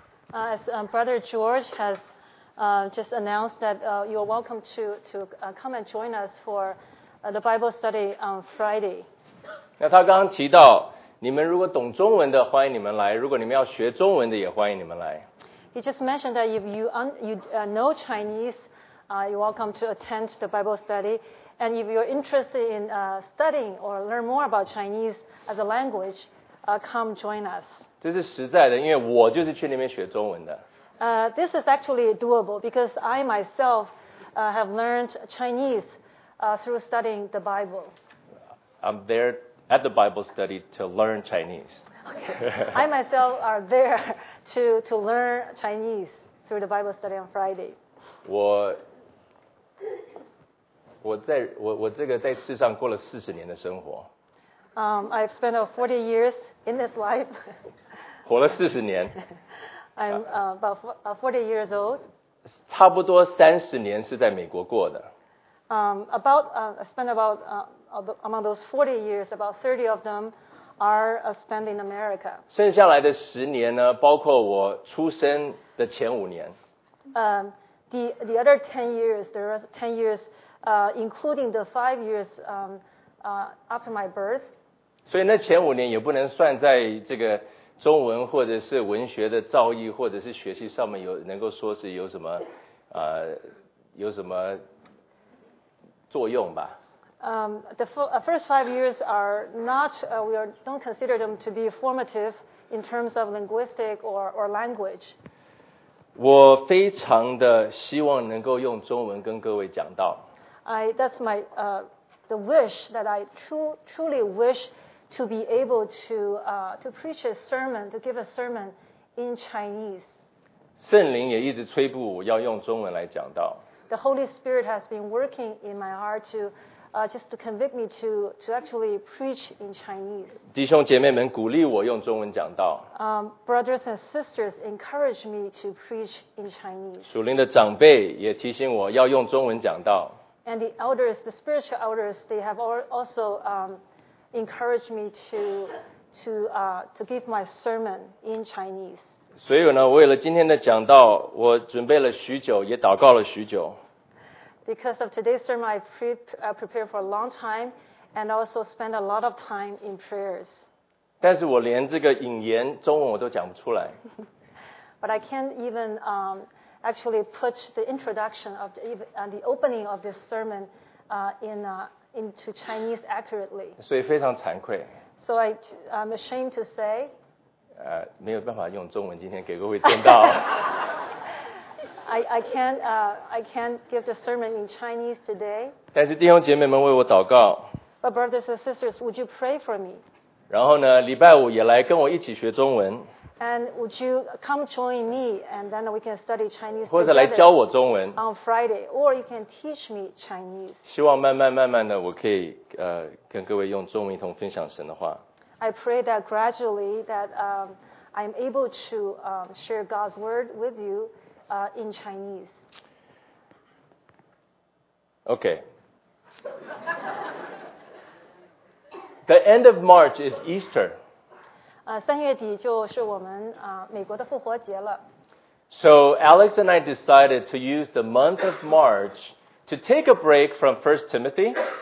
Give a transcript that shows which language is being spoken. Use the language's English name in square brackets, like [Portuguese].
[English] Brother George has just announced that you are welcome to come and join us for the Bible study on Friday. [Chinese] 那他刚刚提到，你们如果懂中文的，欢迎你们来；如果你们要学中文的，也欢迎你们来。 [English] He just mentioned that if you know Chinese, you're welcome to attend the Bible study. And if you're interested in studying or learn more about Chinese as a language, come join us. [Chinese] 这是实在的，因为我就是去那边学中文的。 [English] This is actually doable because I myself have learned Chinese through studying the Bible. I'm there at the Bible study to learn Chinese. Okay. I myself are there to learn Chinese through the Bible study on Friday. [Chinese] 我这个在世上过了四十年的生活。 [English] I've spent 40 years in this life. [Chinese] 活了四十年。 [English] I'm about 40 years old. [Chinese] 差不多三十年是在美国过的。 [English] Among those 40 years, about 30 of them are spent in America. [Chinese] 剩下来的十年呢，包括我出生的前五年。 [English] The other 10 years, there are 10 years, including the 5 years after my birth. [Chinese] 所以那前五年也不能算在这个中文或者是文学的造诣或者是学习上面有能够说是有什么有什么作用吧。 [English] The first 5 years are not, we are, don't consider them to be formative in terms of linguistic or language. [Chinese] 我非常的希望能够用中文跟各位讲道。 [English] That's my, the wish that I truly wish to be able to preach a sermon, to give a sermon in Chinese. [Chinese] 圣灵也一直催步要用中文来讲道。 [English] The Holy Spirit has been working in my heart to just to convict me to actually preach in Chinese. [Chinese] 弟兄姐妹们鼓励我用中文讲道。 [English] Brothers and sisters encourage me to preach in Chinese. [Chinese] 属灵的长辈也提醒我要用中文讲道。 [English] And the elders, the spiritual elders, they have also encouraged me to give my sermon in Chinese. [Chinese] 所以呢，为了今天的讲道，我准备了许久，也祷告了许久。 [English] Because of today's sermon, I prepared for a long time and also spent a lot of time in prayers. [Chinese] 但是我连这个引言中文我都讲不出来。 [English] But I can't even actually put the introduction of the opening of this sermon into Chinese accurately. [Chinese] 所以非常惭愧。 [English] So I'm ashamed to say. [Chinese] 没有办法用中文今天给各位听到。 [English] I can't give the sermon in Chinese today. [Chinese] 但是弟兄姐妹们为我祷告。 [English] But brothers and sisters, would you pray for me? [Chinese] 然后呢，礼拜五也来跟我一起学中文。 [English] And would you come join me, and then we can study Chinese? [Chinese] 或者来教我中文。 [English] On Friday, or you can teach me Chinese. [Chinese] 希望慢慢的，我可以跟各位用中文一同分享神的话。 [English] I pray that gradually that I'm able to share God's word with you. In Chinese. Okay. The end of March is Easter. [Chinese] 三月底就是我们美国的复活节了。 [English] So Alex and I decided to use the month of March to take a break from 1 Timothy.